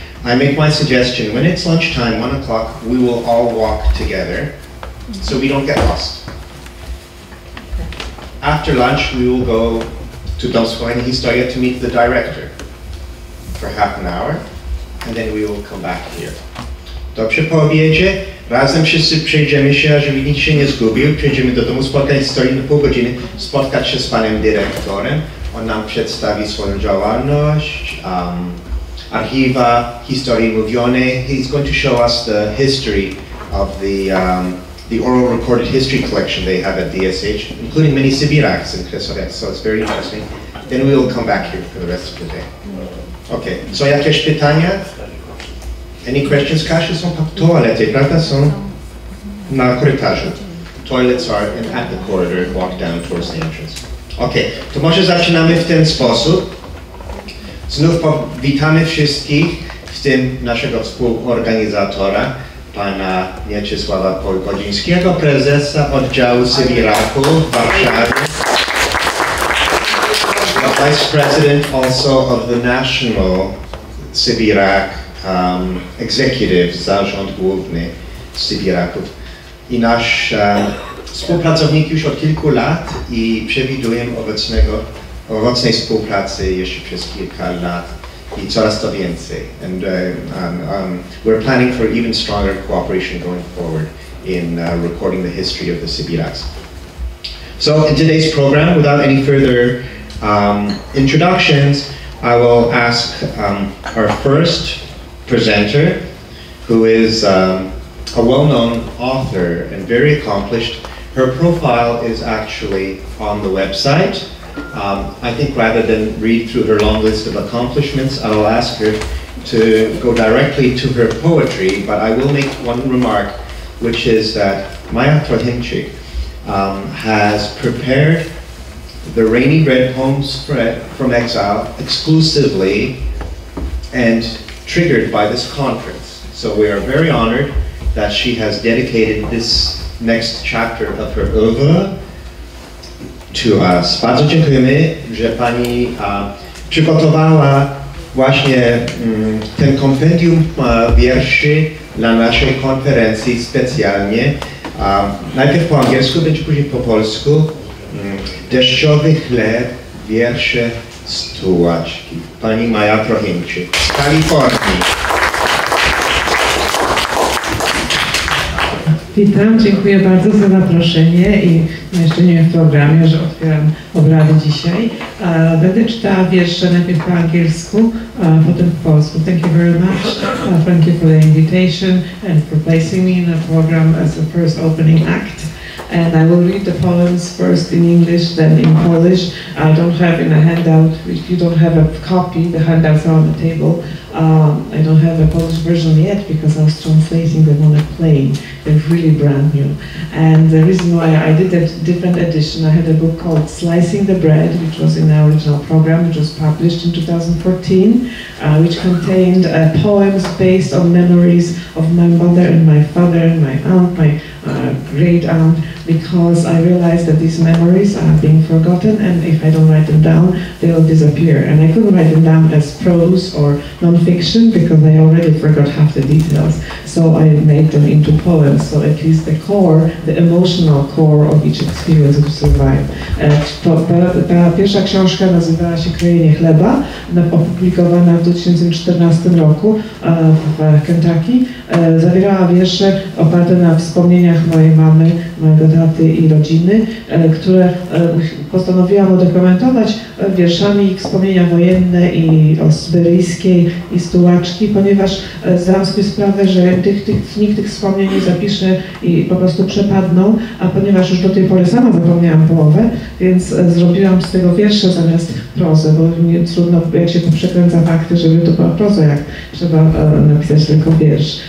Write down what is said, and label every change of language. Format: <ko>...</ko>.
<en>I make my suggestion, when it's lunchtime, 1 o'clock, we will all walk together, so we don't get lost. After lunch, we will go to Dom Spotkań Historii to meet the director for half an hour, and then we will come back here.</en> <pl>Dobrze, po obiedzie, razem wszyscy przejdziemy się, ażeby nikt się nie zgubił, przejdziemy do Domu Spotkań Historii na pół godziny, spotkać się z panem dyrektorem, on nam przedstawi swoją działalność, Archiva Historii Mówione.</pl> <en>He's going to show us the history of the oral recorded history collection they have at DSH, including many Sibiraks and Kresovets, so it's very interesting. Then we will come back here for the rest of the day. Okay, so</en> <pl>jakieś pytania?</pl> <en>Any questions?</en> <pl>Kasia, są po toalety, prawda? Są na korytarzu.</pl> <en>Toilets are in, at the corridor and walk down towards the entrance.</en> <pl>Okay, to może zaczynamy w ten sposób. Znów powitamy wszystkich, w tym naszego współorganizatora, pana Mieczysława Pogodzińskiego, prezesa oddziału Sybiraku w Warszawie.</pl> <en>A vice president also of the national Sybirak executive,</en> <pl>zarząd główny Sybiraków. I nasz współpracownik już od kilku lat i przewiduję owocnej współpracy jeszcze przez kilka lat i coraz to więcej.</pl> <en>And we're planning for even stronger cooperation going forward in recording the history of the Sybiraks. So in today's program, without any further introductions, I will ask our first presenter, who is a well-known author and very accomplished. Her profile is actually on the website. I think rather than read through her long list of accomplishments, I'll ask her to go directly to her poetry, but I will make one remark, which is that Maya Trohinczyk has prepared the Rainy Red Poems from Exile exclusively and triggered by this conference. So we are very honored that she has dedicated this next chapter of her oeuvre to us.</en> <pl>Bardzo dziękujemy, że pani przygotowała właśnie ten kompendium wierszy dla naszej konferencji specjalnie. Najpierw po angielsku, będzie później po polsku. Deszczowy chleb, wiersze z tułaczki. Pani Maja Trohinczyk z Kalifornii. Witam, dziękuję bardzo za zaproszenie i jeszcze nie wiem w programie, że otwieram obrady dzisiaj. Będę czytała wiersze najpierw po angielsku, potem po polsku.</pl> <en>Thank you very much. Thank you for the invitation and for placing me in the program as the first opening act. And I will read the poems first in English, then in Polish. I don't have in a handout, if you don't have a copy, the handouts are on the table. I don't have a Polish version yet because I was translating them on a plane. They're really brand new. And the reason why I did a different edition, I had a book called Slicing the Bread, which was in the original program, which was published in 2014, which contained poems based on memories of my mother and my father and my aunt, my great aunt, because I realized that these memories are being forgotten, and if I don't write them down, they'll disappear. And I couldn't write them down as prose or non-fiction because I already forgot half the details. So I made them into poems, so at least the core, the emotional core of each experience will survive.</en> <pl>Ta pierwsza książka nazywała się Krojenie Chleba, opublikowana w 2014 roku w Kentucky. Zawierała wiersze oparte na wspomnieniach mojej mamy, mojego taty i rodziny, które postanowiłam udokumentować wierszami wspomnienia wojenne i o syberyjskiej i z tułaczki, ponieważ zdałam sobie sprawę, że nikt tych wspomnień nie zapisze i po prostu przepadną, a ponieważ już do tej pory sama zapomniałam połowę, więc zrobiłam z tego wiersze zamiast prozę, bo nie, trudno, jak się to przekręca fakty, żeby to była proza, jak trzeba napisać tylko wiersz.</pl>